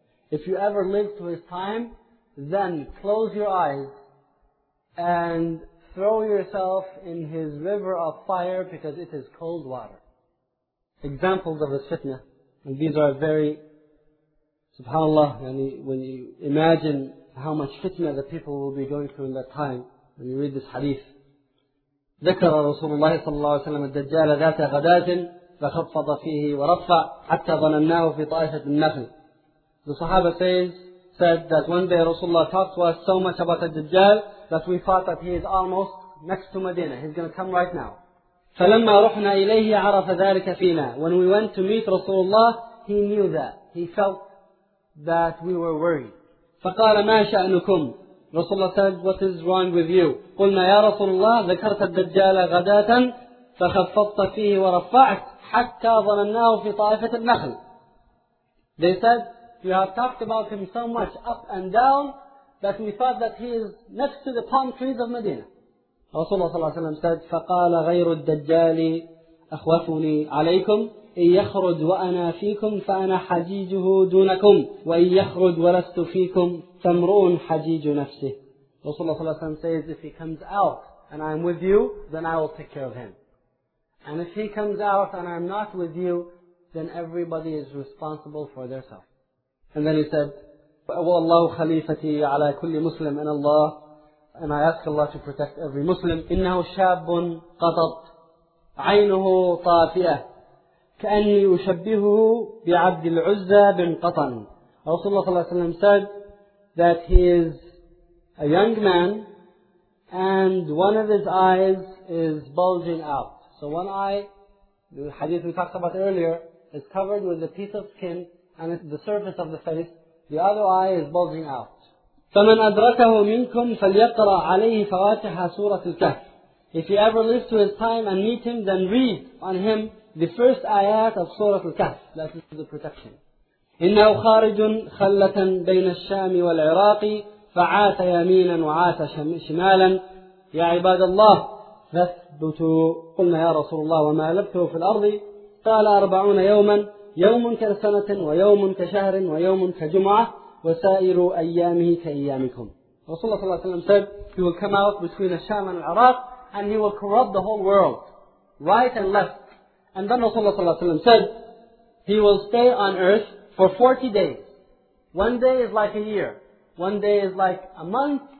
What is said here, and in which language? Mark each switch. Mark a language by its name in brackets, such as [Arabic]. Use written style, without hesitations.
[English] If you ever live to his time, then close your eyes and throw yourself in his river of fire because it is cold water. Examples of this fitna, and these are very, subhanAllah, when you imagine how much fitna the people will be going through in that time. When you read this hadith, [Arabic] ذكر رسول الله صلى الله عليه وسلم الدجال ذات غداة فخفض فيه ورفع حتى ظنناه في طائفة النخل. [English] The Sahaba said that one day Rasulullah talked to us so much about the Dajjal that we thought that he is almost next to Medina. He's going to come right now. [Arabic] فلما رحنا إليه عرف ذلك فينا. [English] When we went to meet Rasulullah, he knew that. He felt that we were worried. [Arabic] فقال ما شأنكم. [English] Rasulullah said, what is wrong with you? [Arabic] قلنا يا رسول الله ذكرت الدجال غداة فخفضت فيه ورفعت حتى ظنناه في طائفة النخل. [English] They said, you have talked about him so much up and down that we thought that he is next to the palm trees of Medina. Rasulullah صلى الله عليه وسلم said, [Arabic] فقال غير الدجال أخوفني عليكم. إن يخرج وأنا فيكم فأنا حجيجه دونكم وإن يخرج ولست فيكم فامرؤ حجيج نفسه. [English] Rasulullah صلى الله عليه وسلم says, if he comes out and I'm with you, then I will take care of him. And if he comes out and I'm not with you, then everybody is responsible for their self. And then he said, [Arabic] وَاللَّهُ خَلِيفَتِي عَلَى كُلِّ مُسْلِمٍ إِنَ اللَّهِ. [English] And I ask Allah to protect every Muslim. [Arabic] إِنَّهُ شَابٌ قَطَطْ عَيْنُهُ طَافِئَةٌ كأني أشبهه بعبد العزة بن قطن. [English] رسول الله صلى الله عليه وسلم said that he is a young man and one of his eyes is bulging out. So one eye, the hadith we talked about earlier, is covered with a piece of skin and it's the surface of the face. The other eye is bulging out. [Arabic] فمن أدركه منكم فليقرأ عليه فواتح سورة الكهف. [English] If he ever lives to his time and meet him, then read on him the first ayat of Surah Al-Kahf, that is the protection. [Arabic] إِنَّهُ خَارِجٌ خَلَّةً بَيْنَ الشَّامِ وَالْعِرَاقِ فَعَاتَ يَمِينًا وَعَاتَ شِمَالًا يَا عِبَادَ اللَّهِ نثبت. قلنا يا رسول الله وما لبثوا في الأرض؟ قال 40 يوما، يوم كسنة ويوم كشهر ويوم كجمعة وسائر أيامه كأيامكم. [English] رسول الله صلى الله عليه وسلم said he will come out between الشام and العراق and he will corrupt the whole world right and left. And then رسول الله صلى الله عليه وسلم said he will stay on earth for 40 days. One day is like a year. One day is like a month.